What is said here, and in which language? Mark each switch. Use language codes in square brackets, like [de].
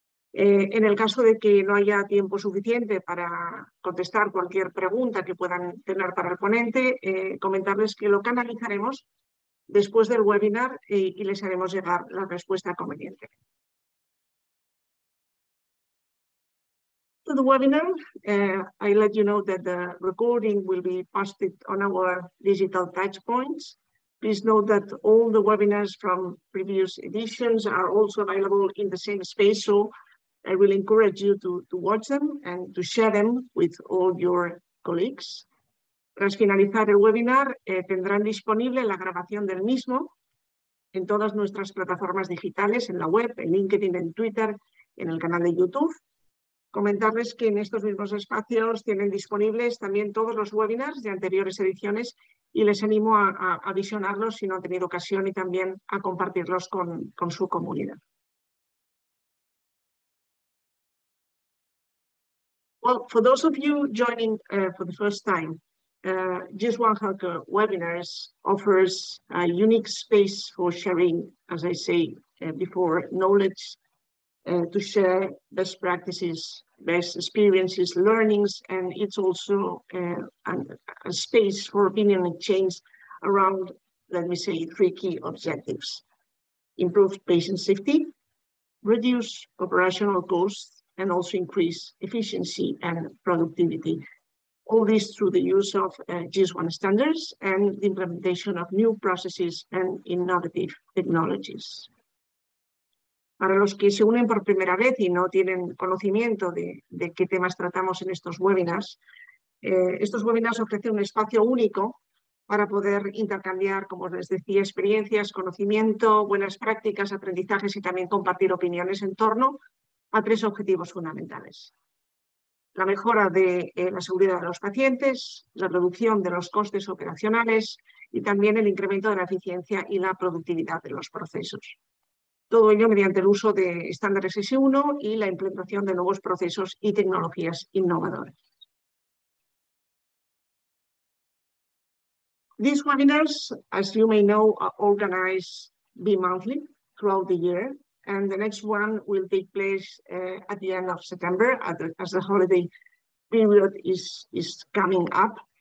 [es] En el caso de que no haya tiempo suficiente para contestar cualquier pregunta que puedan tener para el ponente, comentarles que lo canalizaremos después del webinar y les haremos llegar la respuesta conveniente. [en] To the webinar, I let you know that the recording will be posted on our digital touchpoints. Please note that all the webinars from previous editions are also available in the same space, so I will encourage you to watch them and to share them with all your colleagues. [es] Tras finalizar el webinar, tendrán disponible la grabación del mismo en todas nuestras plataformas digitales, en la web, en LinkedIn, en Twitter, en el canal de YouTube. Comentarles que en estos mismos espacios tienen disponibles también todos los webinars de anteriores ediciones y les animo a visionarlos si no han tenido ocasión y también a compartirlos con su comunidad. [en] Well, for those of you joining for the first time, GIS One Healthcare Webinars offers a unique space for sharing, as I say before, knowledge, to share best practices, best experiences, learnings, and it's also a space for opinion exchange around, let me say, three key objectives: improve patient safety, reduce operational costs, and also increase efficiency and productivity. All this through the use of GIS One standards and the implementation of new processes and innovative technologies. [es] Para los que se unen por primera vez y no tienen conocimiento de qué temas tratamos en estos webinars ofrecen un espacio único para poder intercambiar, como les decía, experiencias, conocimiento, buenas prácticas, aprendizajes y también compartir opiniones en torno a tres objetivos fundamentales: la mejora de la seguridad de los pacientes, la reducción de los costes operacionales y también el incremento de la eficiencia y la productividad de los procesos. Todo ello mediante el uso de estándares S1 y la implementación de nuevos procesos y tecnologías innovadoras. [en] These webinars, as you may know, are organized bimonthly throughout the year, and the next one will take place at the end of September as the holiday period is coming up.